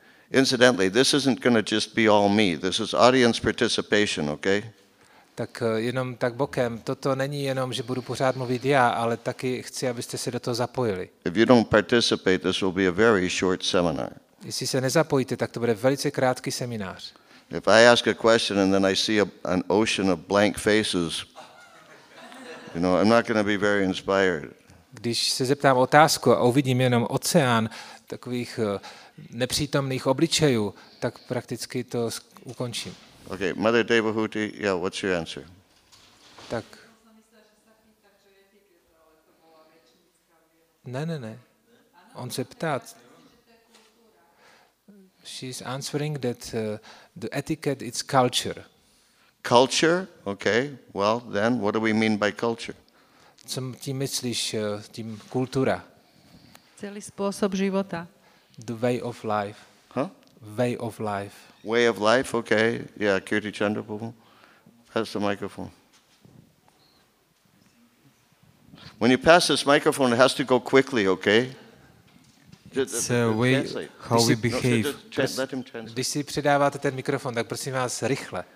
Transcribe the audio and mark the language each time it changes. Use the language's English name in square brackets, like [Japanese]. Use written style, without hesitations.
[English] Incidentally, this isn't going to just be all me. This is audience participation, okay? [Czech] Tak jenom tak bokem, toto není jenom, že budu pořád mluvit já, ale taky chci, abyste se do toho zapojili. [English] If you don't participate, this will be a very short seminar. [Czech] Jestli se nezapojíte, tak to bude velice krátký seminář. [English] If I ask a question and then I see an ocean of blank faces, you know, I'm not going to be very inspired. [Czech] Když se zeptám otázku a uvidím jenom oceán takových nepřítomných obličejů, tak prakticky to ukončím. [English] Okay, Mother Devahuti, yeah, what's your answer? [Czech] Tak. Ne. On se ptá. [English] She's answering that the etiquette is culture. Culture? Okay. Well, then what do we mean by culture? [Czech] Co tím myslíš tím kultura? Celý způsob života. [English] The way of life. Huh? Way of life. Way of life, okay. Yeah, Kirti Chandra Prabhu. Pass the microphone. When you pass this microphone, it has to go quickly, okay? It's a way how we behave. [Czech] Když si předáváte ten mikrofon, tak prosím vás rychle.